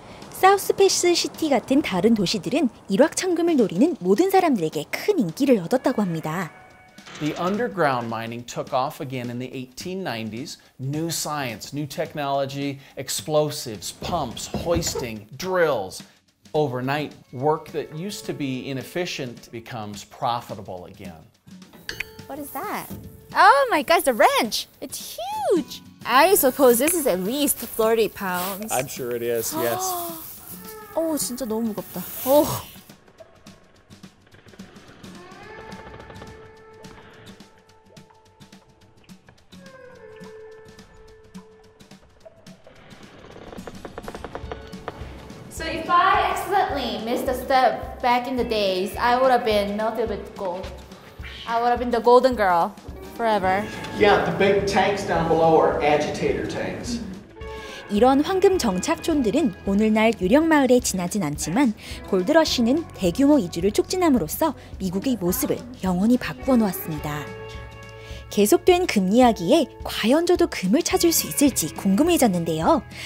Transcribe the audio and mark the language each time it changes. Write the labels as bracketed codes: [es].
[ko] 사우스패스 시티 같은 다른 도시들은 일확천금을 노리는 모든 사람들에게 큰 인기를 얻었다고 합니다. [en] The underground mining took off again in the 1890s. New science, new technology, explosives, pumps, hoisting, drills. Overnight, work that used to be inefficient becomes profitable again. What is that? Oh my gosh, a wrench! It's huge! I suppose this is at least 30 pounds. I'm sure it is, yes. [ko] 오, 진짜 너무 무겁다. [en] So if I accidentally missed a step back in the days, I would have been melted with gold. I would have been the golden girl forever. Yeah, the big tanks down below are agitator tanks. [ko] 이런 황금 정착촌들은 오늘날 유령 마을에 지나진 않지만 골드러쉬는 대규모 이주를 촉진함으로써 미국의 모습을 영원히 바꾸어 놓았습니다. 계속된 금 이야기에 과연 저도 금을 찾을 수 있을지 궁금해졌는데요.